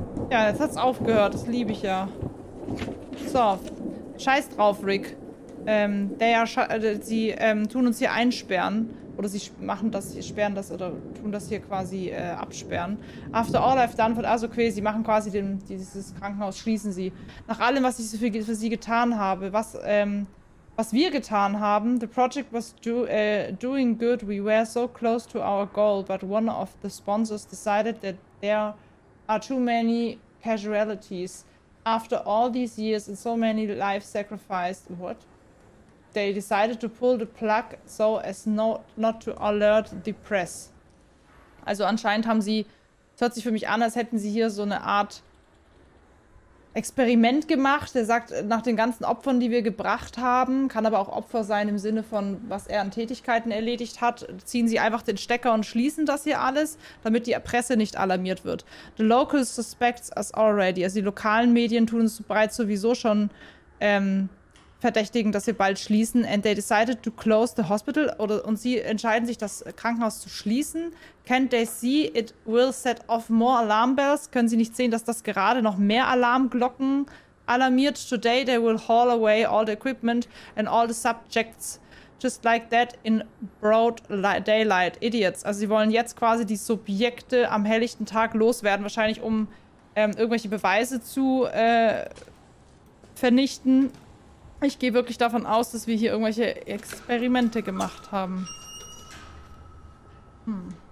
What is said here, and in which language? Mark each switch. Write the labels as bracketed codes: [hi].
[de] Ja, jetzt hat's aufgehört. Das liebe ich ja. So. Scheiß drauf, Rick. Sie tun uns hier einsperren. Oder sie machen das, sperren das oder tun das hier quasi absperren. [en] After all I've done for [de] also okay, sie machen quasi dieses Krankenhaus, schließen sie. Nach allem, was ich für sie getan habe, was wir getan haben, [en] the project was doing good, we were so close to our goal, but one of the sponsors decided that there are too many casualties. After all these years and so many lives sacrificed, what? They decided to pull the plug so as not to alert the press. [de] Also anscheinend haben sie, es hört sich für mich an, als hätten sie hier so eine Art Experiment gemacht. Er sagt, nach den ganzen Opfern, die wir gebracht haben, kann aber auch Opfer sein im Sinne von, was er an Tätigkeiten erledigt hat, ziehen sie einfach den Stecker und schließen das hier alles, damit die Presse nicht alarmiert wird. [en] The locals suspect us already. [de] Also die lokalen Medien tun es bereits sowieso schon, verdächtigen, dass wir bald schließen. [en] And they decided to close the hospital. [de] Oder, und sie entscheiden sich, das Krankenhaus zu schließen. [en] Can't they see it will set off more alarm bells? [de] Können sie nicht sehen, dass das gerade noch mehr Alarmglocken alarmiert? [en] Today they will haul away all the equipment and all the subjects just like that in broad daylight. Idiots. [de] Also sie wollen jetzt quasi die Subjekte am helllichten Tag loswerden. Wahrscheinlich um irgendwelche Beweise zu vernichten. Ich gehe wirklich davon aus, dass wir hier irgendwelche Experimente gemacht haben. Hm.